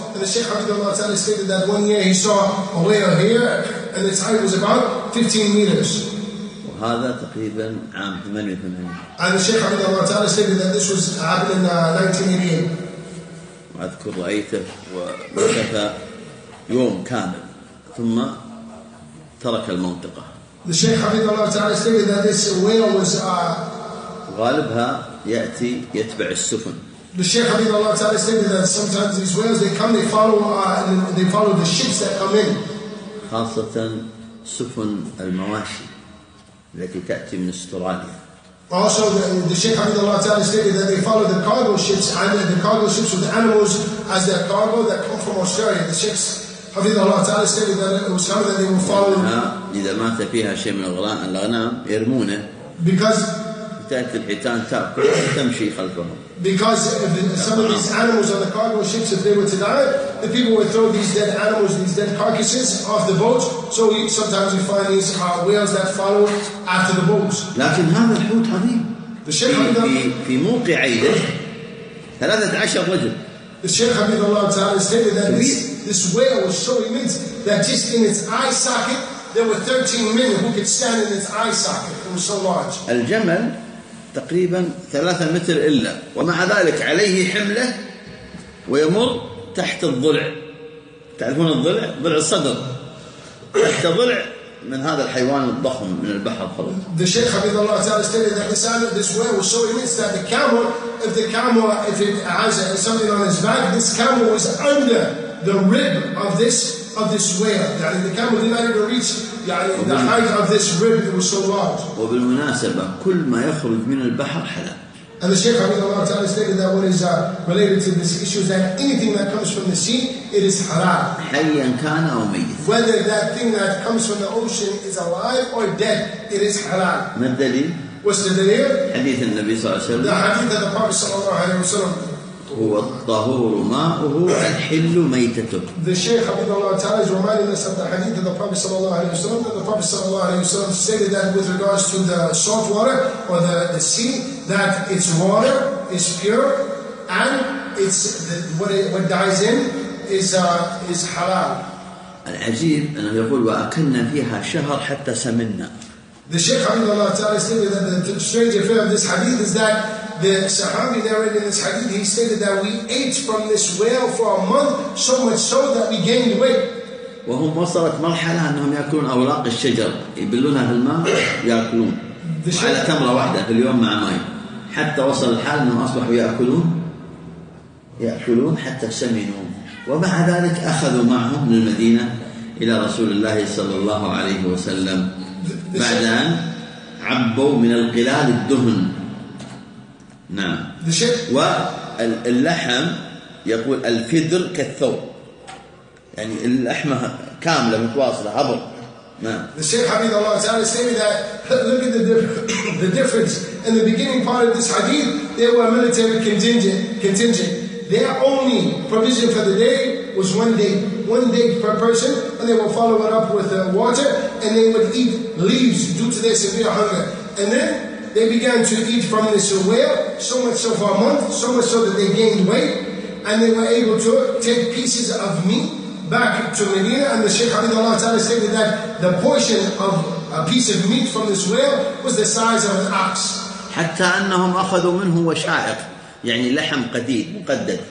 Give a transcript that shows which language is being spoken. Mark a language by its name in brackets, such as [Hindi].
[English] And the Sheikh Abdul Allah Ta'ala stated that one year he saw a whale here and its height was about 15 meters. [Arabic] وهذا تقريبا عام 88. [English] And the Sheikh Abdul Allah Ta'ala stated that this was happening in 1988. [Arabic] أذكر رأيته ومكث يوم كامل ثم ترك المنطقة. [English] The Sheikh Hafidh Allah Ta'ala stated that this whale was [Arabic] غالبها يأتي يتبع السفن. [English] The Sheikh Hafidh Allah Ta'ala stated that sometimes these whales they come, they follow the ships that come in. [Arabic] خاصة سفن المواشي التي تأتي من استراليا. [English] Also, the Sheikh Hafidh Allah Ta'ala stated that they follow the cargo ships and the cargo ships with animals as their cargo that come from Australia. The Sheikh Hafidh Allah Ta'ala stated that it was coming that they will follow. [Arabic] إذا مات فيها شيء من الغنم يرمونه. [English] Because [Arabic] تأتي الحيتان تأكل تمشي خلفهم. [English] Because some of these animals on the cargo ships, if they were to die, the people would throw these dead animals, these dead carcasses off the boat. So sometimes you find these whales that follow after the boats. [Arabic] لكن هذا الحوت عظيم. [English] The Sheikh Hafidh Allah [Arabic] في موقع عيده 13 رجل. [English] The Sheikh Hafidh Allah Ta'ala stated that this whale was so immense that just in its eye socket there were 13 men who could stand in its eye socket. It was so large. [Arabic] الجمل تقريبا 3 متر إلا ومع ذلك عليه حملة ويمر تحت الضلع. تعرفون الضلع؟ ضلع الصدر تحت ضلع من هذا الحيوان الضخم من البحر خلص. [English] The Sheikh Hafidh Allah Ta'ala stated that this whale was so immense that if it has something on its back, this camel was under the rib of this whale. يعني the camel did not even reach the height of this rib. It was so large. [Arabic] وبالمناسبة كل ما يخرج من البحر حلال. [English] And the Sheikh Hafidh Allah Ta'ala stated that what is related to this issue is that anything that comes from the sea, it is halal. [Arabic] حياً كان أو ميت. [English] Whether that thing that comes from the ocean is alive or dead, it is halal. [Arabic] ما الدليل؟ [English] What's the دليل؟ [Arabic] حديث النبي صلى الله عليه وسلم. [English] The hadith that the Prophet [Arabic] صلى الله عليه وسلم. هو الطهور ماءه الحل ميتته. [English] The Sheikh Hafidh Allah Ta'ala is reminding us of the hadith that the Prophet [Arabic] صلى الله عليه وسلم. [English] The Prophet [Arabic] صلى الله عليه وسلم [English] stated that with regards to the salt water or the sea, that its water is pure and it's what dies in is halal. [Arabic] العجيب أنه يقول وأكلنا فيها شهر حتى سمنا. [English] The Sheikh Hafidh Allah Ta'ala stated that the strange affair of this hadith is that the Sahabi narrated in this hadith, he stated that we ate from this whale for a month, so much so that we gained weight. [Arabic] وهم وصلت مرحلة أنهم يأكلون أوراق الشجر يبلونها في الماء يأكلون على تمرة واحدة في اليوم مع ماء حتى وصل الحال أنهم أصبحوا يأكلون حتى سمنوا ومع ذلك أخذوا معهم من المدينة إلى رسول الله صلى الله عليه وسلم بعد أن عبوا من القلال الدهن. نعم. واللحم يقول الفدر كالثوب يعني اللحمة كاملة متواصلة عبر. [English] The Sheikh Hafidh Allah Ta'ala stated that look at the difference in the beginning part of this hadith. They were a military contingent. Their only provision for the day was one day per person, and they would follow it up with water, and they would eat leaves due to their severe hunger. And then they began to eat from this whale so much so for a month, so much so that they gained weight, and they were able to take pieces of meat back to Medina. And the Sheikh Hafidh Allah Ta'ala stated that the portion of a piece of meat from this whale was the size of an ox. [Arabic] حتى أنهم أخذوا منه وشائق يعني لحم قديد مقدد.